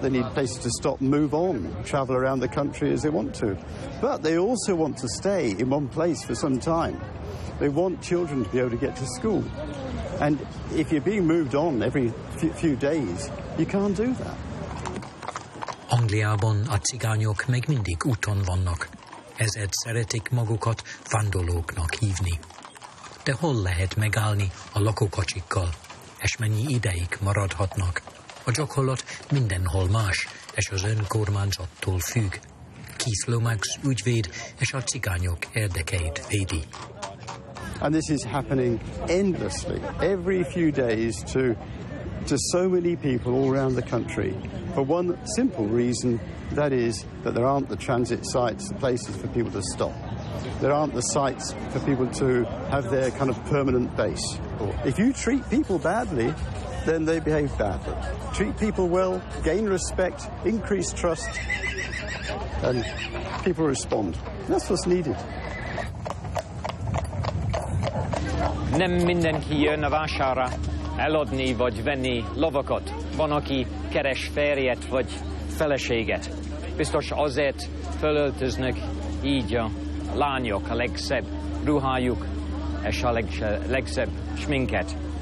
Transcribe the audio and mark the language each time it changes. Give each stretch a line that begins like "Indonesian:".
English: They need places to stop, move on, travel around the country as they want to. But they also want to stay in one place for some time. They want children to be able to get to school. And if you're being moved on every few days, you can't do that.
Hungarian: Angliában a cigányok még mindig úton vannak. Ezért szeretik magukat vándorlóknak hívni. De hol lehet megállni a lakókocsikkal? És mennyi ideig maradhatnak? A gyakorlat mindenhol más, és az önkormányzattól függ. Keith Lomax ügyvéd és a cigányok érdekeit védi.
English: And this is happening endlessly, every few days to so many people all around the country, for one simple reason, that is that there aren't the transit sites, the places for people to stop. There aren't the sites for people to have their kind of permanent base. If you treat people badly, then they behave badly. Treat people well, gain respect, increase trust, and people respond. That's what's needed.
Hungarian: Nem mindenki jön a vására eladni vagy venni lovakat. Van, aki keres férjet vagy feleséget. Biztos azért felöltöznek így a lányok, a legszebb ruhájuk és a legszebb sminket.